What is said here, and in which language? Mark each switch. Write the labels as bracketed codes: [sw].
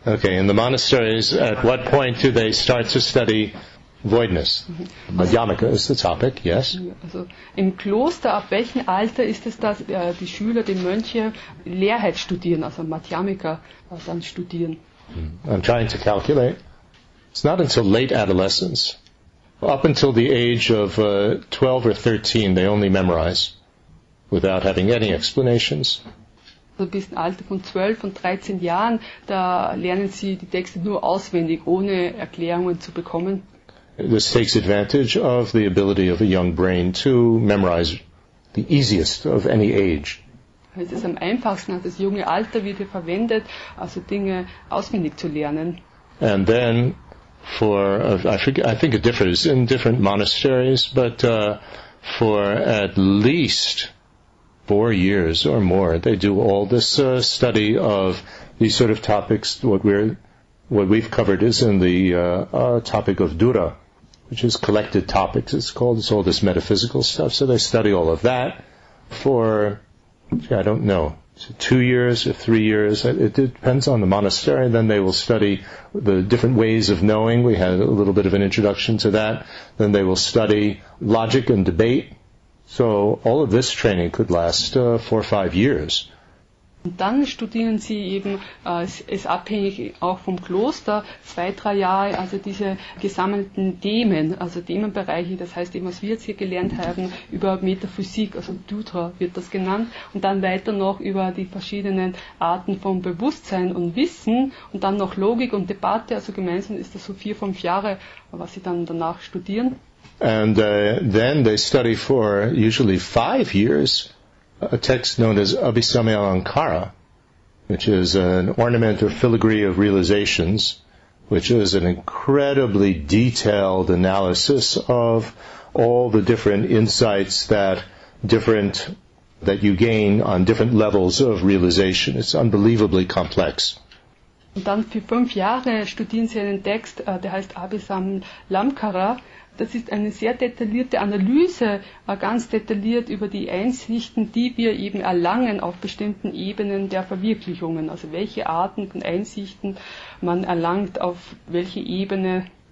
[en] Okay, in the monasteries, at what point do they start to study voidness? Madhyamaka is the topic, yes. [de] Also, im Kloster, ab welchem Alter ist es, dass die Schüler, die Mönche, Leerheit studieren, also Madhyamaka dann studieren? [en] I'm trying to calculate. It's not until late adolescence. Up until the age of 12 or 13, they only memorize without having any explanations. [de] Also bis ein Alter von 12 und 13 Jahren, da lernen sie die Texte nur auswendig, ohne Erklärungen zu bekommen. [en] This takes advantage of the ability of a young brain to memorize the easiest of any age. [de] Es ist am einfachsten, das junge Alter wird hier verwendet, also Dinge auswendig zu lernen. [en] And then, for, I think it differs in different monasteries, but for at least 4 years or more, they do all this study of these sort of topics. What we've covered is in the topic of dura, which is collected topics. It's called, it's all this metaphysical stuff. So they study all of that for, I don't know, 2 years or 3 years. It depends on the monastery. Then they will study the different ways of knowing. We had a little bit of an introduction to that. Then they will study logic and debate. So all of this training could last 4 or 5 years. [de] Und dann studieren sie eben, es abhängig auch vom Kloster, 2-3 Jahre, also diese gesammelten Themen, also Themenbereiche, das heißt eben, was wir jetzt hier gelernt haben, über Metaphysik, also Dutra wird das genannt, und dann weiter noch über die verschiedenen Arten von Bewusstsein und Wissen, und dann noch Logik und Debatte, also gemeinsam ist das so 4-5 Jahre, was sie dann danach studieren. [en] And then they study for usually 5 years a text known as Abhisamayalankara, which is an ornament or filigree of realizations, which is an incredibly detailed analysis of all the different insights that you gain on different levels of realization. It's unbelievably complex. [de] Und dann für 5 Jahre studieren sie einen Text, der heißt Abhisam Lamkara. Das ist eine sehr detaillierte Analyse, ganz detailliert über die Einsichten, die wir eben erlangen auf bestimmten Ebenen der Verwirklichungen. Also welche Arten von Einsichten man erlangt, auf welche Ebene.